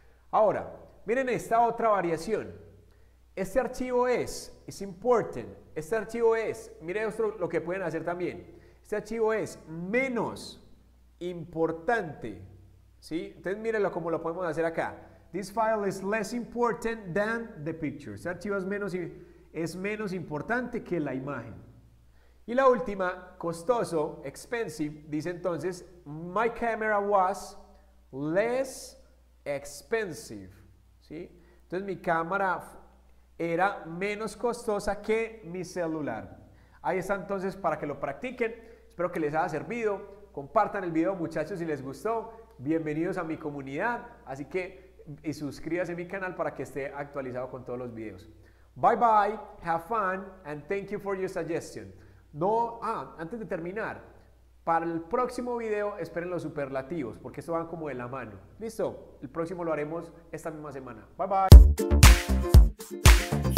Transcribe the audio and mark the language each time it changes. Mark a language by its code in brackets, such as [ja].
[es] Ahora, miren esta otra variación. Este archivo es, [en] it's important, [es] este archivo es, miren esto, lo que pueden hacer también. Este archivo es menos importante, ¿sí? Entonces mírenlo como lo podemos hacer acá. [en] This file is less important than the picture. [es] Este archivo es menos importante que la imagen. Y la última, costoso, expensive, dice entonces, [en] my camera was less expensive, [es] ¿sí? Entonces mi cámara era menos costosa que mi celular. Ahí está entonces para que lo practiquen. Espero que les haya servido. Compartan el video, muchachos, si les gustó. Bienvenidos a mi comunidad. Así que, y suscríbase a mi canal para que esté actualizado con todos los videos. [en] Bye bye, have fun, and thank you for your suggestion. [es] No, antes de terminar, para el próximo video esperen los superlativos, porque esto van como de la mano. ¿Listo? El próximo lo haremos esta misma semana. [en] Bye bye. We'll be right back.